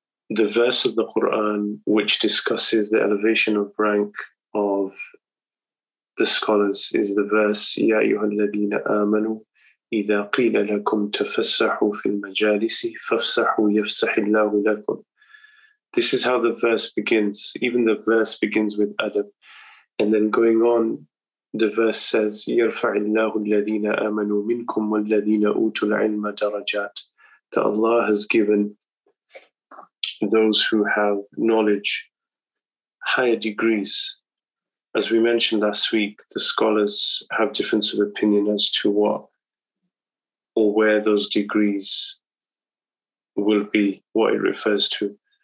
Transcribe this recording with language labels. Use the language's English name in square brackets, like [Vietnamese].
[English] The verse of the Quran which discusses the elevation of rank of the scholars is the verse, [Arabic] يَا أَيُّهَا الَّذِينَ آمَنُوا إِذَا قِيلَ لَكُمْ تَفَسَّحُوا فِي الْمَجَالِسِ فَفْسَحُوا يَفْسَحِ اللَّهُ لَكُمْ. [English] This is how the verse begins. Even the verse begins with adab. And then going on, the verse says, [Arabic] يَرْفَعِ اللَّهُ الَّذِينَ آمَنُوا مِنْكُمْ وَالَّذِينَ أُوتُوا الْعِلْمَ دَرَجَاتٍ. [English] That Allah has given those who have knowledge higher degrees. As we mentioned last week, the scholars have difference of opinion as to what or where those degrees will be, what it refers to.